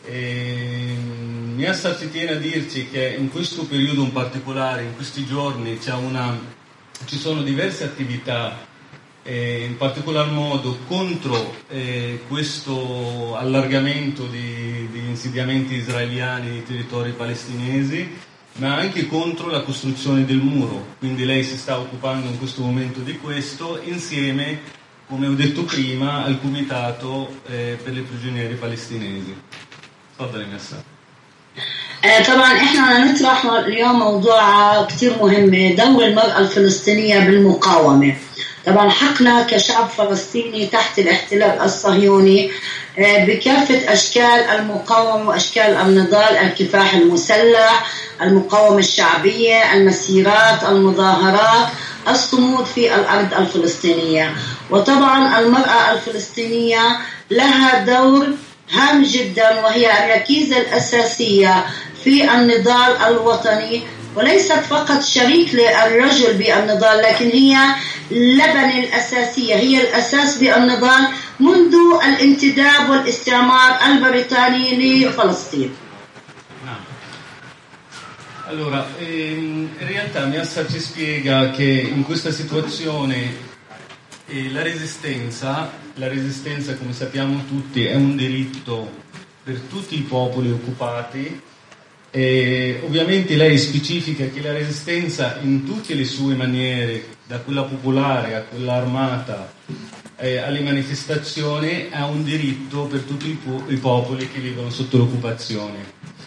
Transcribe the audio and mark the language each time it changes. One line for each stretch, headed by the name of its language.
Italian: Miassar ci tiene a dirci che in questo periodo in particolare, in questi giorni, ci sono diverse attività, in particolar modo contro questo allargamento di insediamenti israeliani nei territori palestinesi, ma anche contro la costruzione del muro. Quindi lei si sta occupando in questo momento di questo, insieme, come ho detto prima, al comitato per le prigionieri palestinesi. Fadale Miassar.
Arabic: طبعا احنا نطرح اليوم موضوع كتير مهم، دور المرأة الفلسطينية بالمقاومة. طبعا حقنا كشعب فلسطيني تحت الاحتلال الصهيوني بكافة أشكال المقاومة وأشكال النضال، الكفاح المسلح، المقاومة الشعبية، المسيرات، المظاهرات، الصمود في الأرض الفلسطينية. وطبعا المرأة الفلسطينية لها دور هام جدا وهي الركيزة الأساسية في النضال الوطني، وليست فقط شريك للرجل بالنضال، لكن هي لبن الأساسية، هي الأساس بالنضال منذ الانتداب والاستعمار البريطاني لفلسطين.
Italian: Allora, in realtà Miassar ci spiega che in questa situazione la resistenza, come sappiamo tutti, è un diritto per tutti i popoli occupati. E ovviamente lei specifica che la resistenza in tutte le sue maniere, da quella popolare a quella armata, alle manifestazioni, è un diritto per tutti i popoli che vivono sotto l'occupazione.